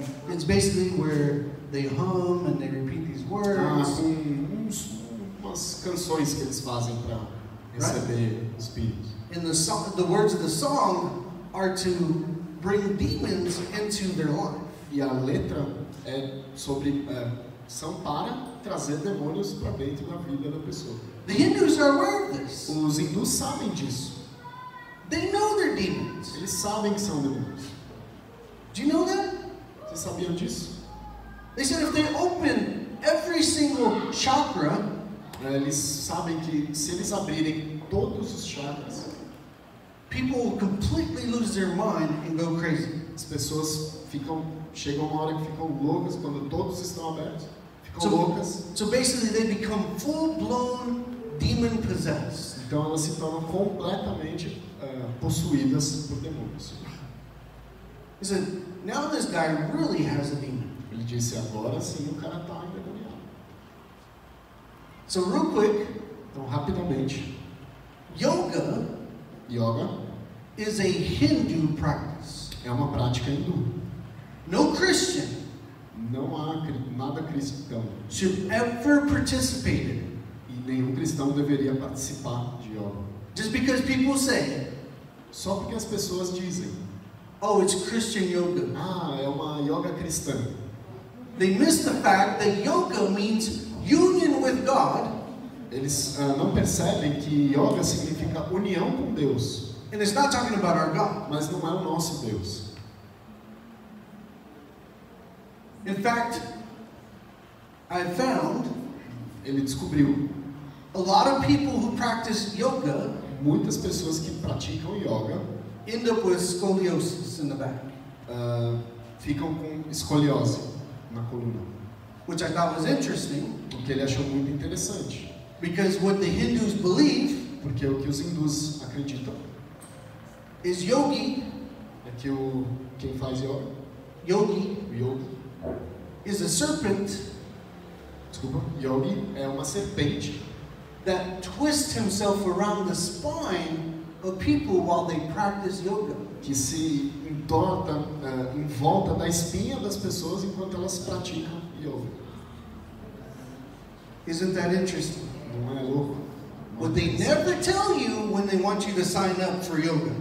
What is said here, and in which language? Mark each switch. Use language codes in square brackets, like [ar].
[en] It's basically where they hum and they repeat these words. [pt] Ah, umas canções que eles fazem para receber espíritos. [en] And the words of the song are to bring demons into their life. [pt] E a letra é sobre são para trazer demônios para dentro da vida da pessoa. [en] The Hindus are aware of this. [pt] Os hindus sabem disso. [en] They know they're demons. [pt] Eles sabem que são demônios. [en] Do you know that? [pt] Vocês sabiam disso? [en] They said if they open every single chakra, [pt] eles sabem que se eles abrirem todos os chakras, [en] people will completely lose their mind and go crazy. [pt] As pessoas chegam uma hora que ficam loucas quando todos estão abertos. Ficam loucas. [en] So basically they become full-blown demon possessed. [pt] Então elas se tornam completamente possuídas por demônios. [en] He said, now this guy really has a demon. [pt] Ele disse, agora sim o cara está endemoniado. [en] So real quick, [pt] então rapidamente, [en] yoga is a Hindu practice. [pt] É uma prática hindu. [en] No Christian, [pt] não há nada cristão, [en] should ever participate in. [pt] E nenhum cristão deveria participar de yoga. [en] Just because people say. [pt] Só porque as pessoas dizem. [en] Oh, it's Christian yoga. [pt] Ah, é uma yoga cristã. [en] They miss the fact that yoga means union with God. [pt] Eles não percebem que yoga significa união com Deus. [en] And it's not talking about our God. [pt] Mas não é o nosso Deus. [en] In fact, I found. [pt] Ele descobriu. [en] A lot of people who practice yoga. [pt] Muitas pessoas que praticam yoga [en] end up with scoliosis in the back. [pt] Ficam com escoliose na coluna. [en] Which I thought was interesting. [pt] O que ele achou muito interessante. [en] Because what the Hindus believe. [pt] Porque o que os hindus acreditam. [en] Is yogi. [pt] É que quem faz yoga. [en] Yogi. [pt] Yogi. [en] Is a serpent. [pt] Desculpa. Yogi é uma serpente. [en] that twists himself around the spine of people while they practice yoga. [pt] Que se entorta em volta da espinha das pessoas enquanto elas praticam yoga. [en] Isn't that interesting? [pt] Não é louco? [en] But they never tell you when they want you to sign up for yoga.